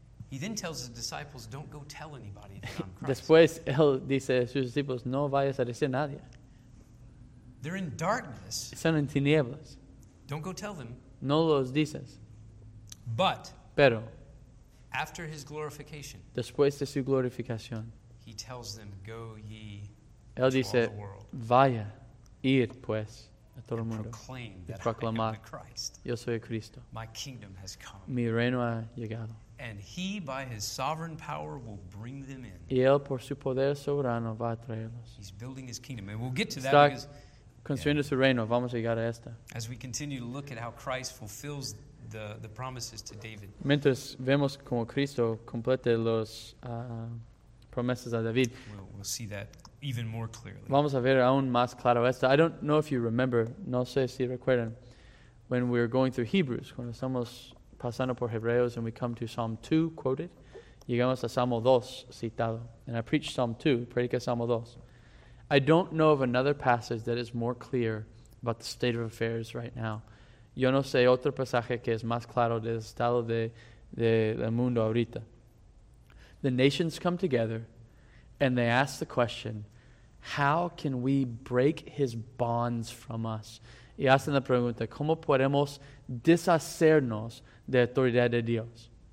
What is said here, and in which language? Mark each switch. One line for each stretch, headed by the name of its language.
English: He then tells his disciples, "Don't go tell anybody that I'm Christ."
Spanish: Después él dice a sus discípulos, "No vayas a decir a nadie."
English: They're in darkness.
Spanish: Están en tinieblas.
English: Don't go tell them.
Spanish: No los dices.
English: But.
Spanish: Pero.
English: After his glorification.
Spanish: Después de su glorificación.
English: He tells them, go ye
Spanish: él dice,
English: all the world.
Spanish: Vaya, ir pues a todo el mundo.
English: Proclaim that proclamar, I am the Christ.
Spanish: Yo soy el Cristo.
English: My kingdom has come.
Spanish: Mi reino ha llegado.
English: And he by his sovereign power will bring them in.
Spanish: Y él por su poder soberano va a traerlos.
English: He's building his kingdom. And we'll get to
Spanish: está
English: that because...
Spanish: Construyendo su reino, vamos a llegar a esta.
English: As we continue to look at how Christ fulfills the promises to David.
Spanish: Mientras vemos cómo Cristo completa las promesas a David.
English: We'll see that even more clearly.
Spanish: Vamos a ver aún más claro esto.
English: I don't know if you remember,
Spanish: no sé si recuerdan,
English: when we were going through Hebrews,
Spanish: cuando estamos pasando por Hebreos
English: and we come to Psalm 2 quoted,
Spanish: llegamos a Salmo 2 citado.
English: And I preached Psalm 2,
Spanish: predica Salmo 2.
English: I don't know of another passage that is more clear about the state of affairs right now.
Spanish: Yo no sé otro pasaje que es más claro del estado de mundo ahorita.
English: The nations come together and they ask the question, how can we break his bonds from us?
Spanish: Y hacen la pregunta, ¿cómo podemos deshacernos de la autoridad de Dios?